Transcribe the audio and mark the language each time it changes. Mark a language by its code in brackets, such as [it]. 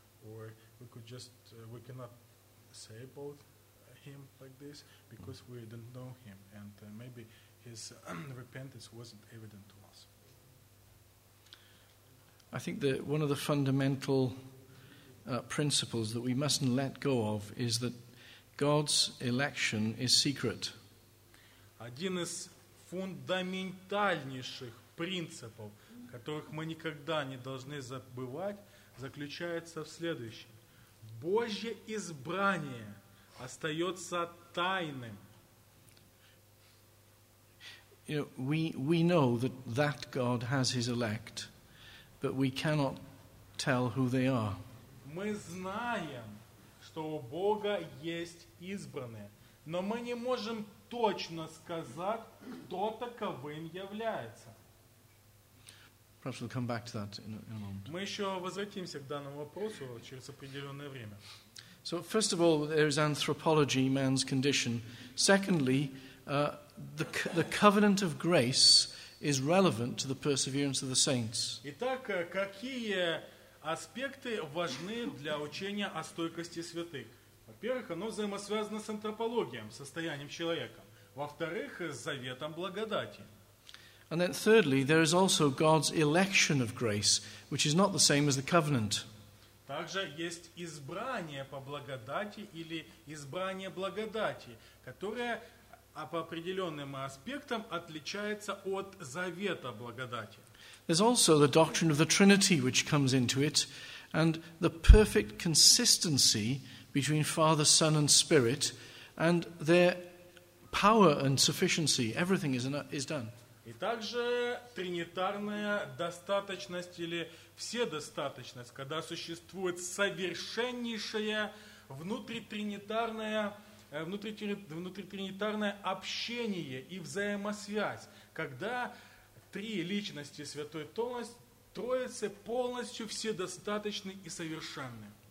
[en] Or we could just, we cannot say about him like this because we don't know him and maybe his repentance wasn't evident to us. I think that one of the fundamental principles that we mustn't let go of is that God's election is secret. [ru] Один из фундаментальнейших принципов, которых мы никогда не должны забывать, заключается в следующем. Божье избрание остается тайным. [en] You know, we know that that God has his elect, but we cannot tell who they are. [ru] Мы знаем, что у Бога есть избранные, но мы не можем точно сказать, кто таковым является. [en] Perhaps we'll come back to that in a moment. [ru] Мы еще возвратимся к данному вопросу через определенное время. [en] So, first of all, there is anthropology, man's condition. Secondly, the covenant of grace is relevant to the perseverance of the saints. [ru] Итак, какие аспекты важны для учения о стойкости святых? Во-первых, оно взаимосвязано с антропологией, состоянием человека. Во-вторых, с заветом благодати. [en] And then thirdly, there is also God's election of grace, which is not the same as the covenant. [ru] Также есть избрание по благодати или избрание благодати, которое по определенным аспектам отличается от завета благодати. [en] There's also the doctrine of the Trinity which comes into it and the perfect consistency between Father, Son and Spirit and their power and sufficiency. Everything is done. [ru] И также тринитарная достаточность или вседостаточность, когда существует совершеннейшая внутритринитарное общение и взаимосвязь, когда три личности Святой Троицы полностью вседостаточны и совершенны.